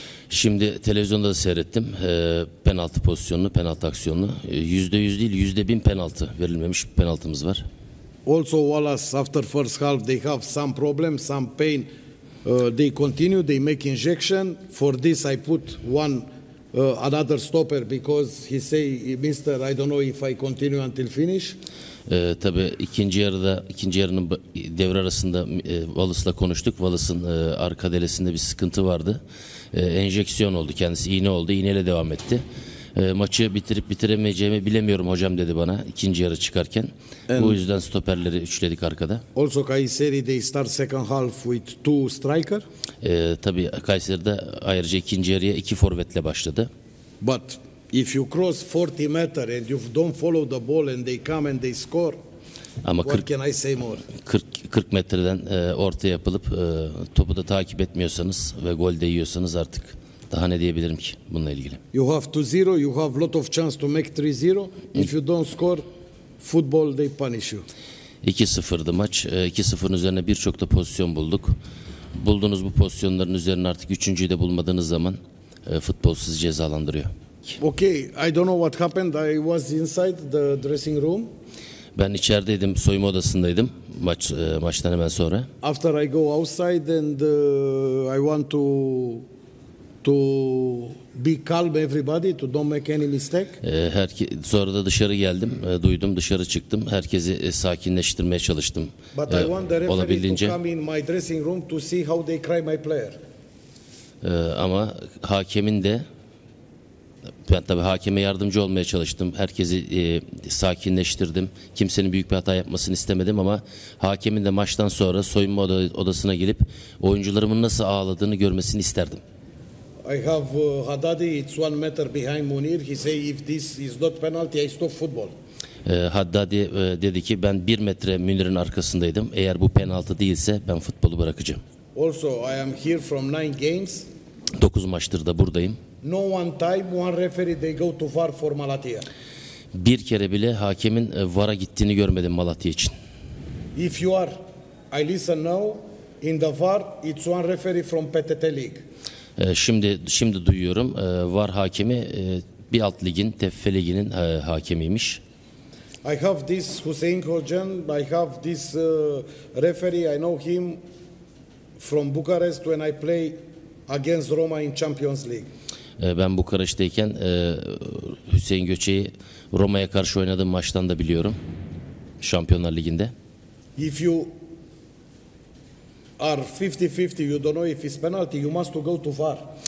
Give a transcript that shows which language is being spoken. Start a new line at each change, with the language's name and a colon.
Turkish: Şimdi televizyonda da seyrettim. Penaltı pozisyonunu, penaltı aksiyonunu. %100 değil, %1000 penaltı verilmemiş penaltımız var.
English: Also Wallace after first half they have some problem, some pain. They continue, they make injection. For this I put one another stopper because he say mister I don't know if I continue until finish.
Turkish: Tabii ikinci yarının devre arasında Wallace'la konuştuk. Wallace'ın arka delesinde bir sıkıntı vardı. Enjeksiyon oldu. Kendisi iğne oldu. İğneyle devam etti. Maçı bitirip bitiremeyeceğimi bilemiyorum hocam dedi bana ikinci yarı çıkarken. Bu yüzden stoperleri üçledik arkada.
English: Also Kayseri they start second half with two striker.
Turkish: Tabii Kayseri'de ayrıca ikinci yarıya iki forvetle başladı.
English: But if you cross 40 meter and you don't follow the ball and they come and they score.
Turkish: Ama
English: 40, what can I say more?
Turkish: 40 metreden orta yapılıp topu da takip etmiyorsanız ve gol de yiyorsanız artık daha ne diyebilirim ki bununla ilgili?
English: You have 2-0, you have lot of chance to make 3-0. If you don't score, football they punish you.
Turkish: 2-0'dı maç. 2-0'ın üzerine birçok da pozisyon bulduk. Bulduğunuz bu pozisyonların üzerine artık üçüncüyü de bulmadığınız zaman futbol sizi cezalandırıyor.
English: Okay, I don't know what happened. I was inside the dressing room.
Turkish: Ben içerideydim, soyunma odasındaydım maçtan hemen sonra.
English: After I go outside and I want to be calm everybody, to don't make any mistake.
Turkish: Sonra da dışarı geldim, duydum, dışarı çıktım. Herkesi sakinleştirmeye çalıştım.
English: But I want the referee to come in my dressing room to see how they cry my player.
Turkish: Ama hakemin de, ben tabii hakeme yardımcı olmaya çalıştım. Herkesi sakinleştirdim. Kimsenin büyük bir hata yapmasını istemedim ama hakemin de maçtan sonra soyunma odasına gelip oyuncularımın nasıl ağladığını görmesini isterdim.
English: I have Haddadi, it's 1 meter behind Munir. He say if this is not penalty, I stop football.
Turkish: Haddadi dedi ki ben 1 metre Munir'in arkasındaydım. Eğer bu penaltı değilse ben futbolu bırakacağım.
English: Also I am here from 9 games.
Turkish: 9 maçtır da buradayım.
English: No one time one referee they go to VAR for Malatya.
Turkish: Bir kere bile hakemin VAR'a gittiğini görmedim Malatya için.
English: If you are, I listen now, in the VAR it's one referee from PTT League.
Turkish: Şimdi duyuyorum VAR hakemi bir alt ligin TFF liginin hakemiymiş.
English: I have this Hüseyin Kocan, I have this referee, I know him from Bucharest when I play against Roma in Champions League.
Turkish: Ben Bukareş'teyken Hüseyin Göçe'yi Roma'ya karşı oynadığım maçtan da biliyorum. Şampiyonlar Ligi'nde.
English: If you are 50-50, you don't know if it's penalty, you must go to VAR.